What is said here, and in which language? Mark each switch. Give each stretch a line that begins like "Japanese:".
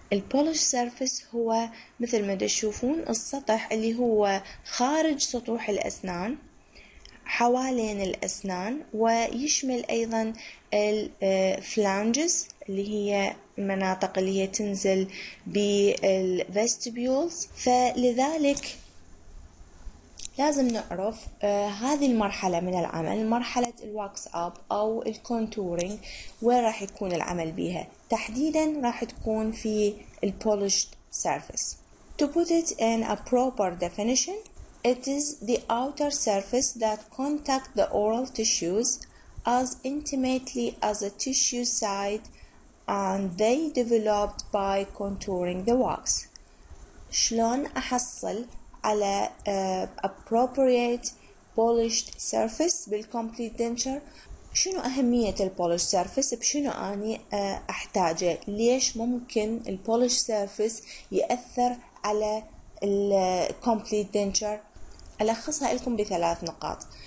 Arabic: البولشد سيرفيس هو مثل ما تشوفون السطح اللي هو خارج سطوح الأسنان حوالين الأسنان، ويشمل أيضا الفلانجز اللي هي المناطق اللي هي تنزل بالفستيبولز. فلذلك لازم نعرف هذه المرحلة من العمل، مرحلة الواكس أب أو الكونتورينج، وين راح يكون العمل بها تحديدا؟ راح تكون في البولشد سيرفيس.
English: To put it in a proper definition, it is the outer surface that contacts the oral tissues as intimately as a tissue side and they developed by contouring the wax.
Arabic: شلون أحصل على
English: appropriate polished surface
Arabic: بالcomplete denture؟ شنو أهمية البولشد سيرفيس؟ بشنو أني أحتاجه؟ ليش ممكن البولشد سيرفيس يأثر على الcomplete denture؟ ألخصها لكم بثلاث نقاط.